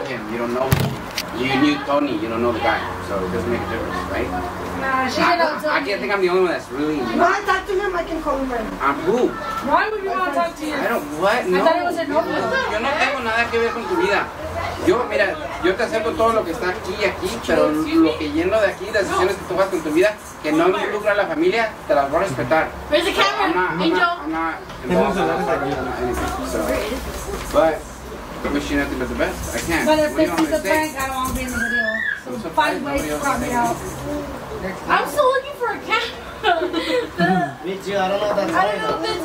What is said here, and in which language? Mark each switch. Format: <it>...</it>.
<en>You don't know him. You don't know him. You knew Tony. You don't know the guy. So it doesn't make a difference, right? Nah, I can't think I'm the only one that's really. You want to talk to him? I can call him right now. Who? Why would you want to talk to him? I don't. What? No. I thought it was a normal.</en> <es>Yo no tengo nada que ver con tu vida. Yo, mira, yo te acepto todo lo que está aquí y aquí, pero lo que lleno de aquí, las decisiones que tomas con tu vida, que no involucra a la familia, te las voy a respetar.</es> <en>Where's the camera? I'm not involved. But I wish you nothing but the best. I can't. But if this is a prank, I don't want to be in the video. So find ways to crop me out. I'm still looking for a camera. Me too, I don't know if that's</en>